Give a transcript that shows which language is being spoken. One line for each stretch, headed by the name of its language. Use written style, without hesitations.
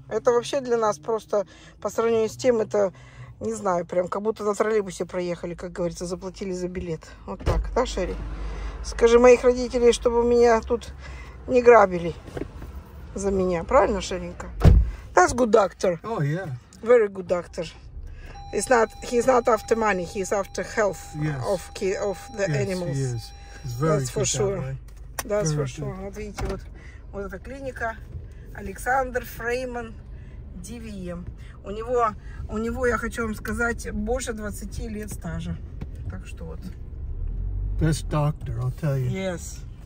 Russian: Это вообще для нас просто, по сравнению с тем, это, не знаю, прям как будто на троллейбусе проехали, как говорится, заплатили за билет. Вот так, да, Шерри? Скажи моих родителей, чтобы меня тут не грабили за меня. Правильно,
English: Шеренька? That's good doctor. Oh, yeah. Very good doctor. He's not after money, he's after health of the animals. Yes, he is. He's very That's for sure. That, right? That's very for sure. Good.
Russian: Вот видите, вот эта клиника. Александр Фрейман, DVM. У него, я хочу вам сказать, больше 20 лет стажа. Так что вот.
English: Best doctor, I'll tell you. Yes.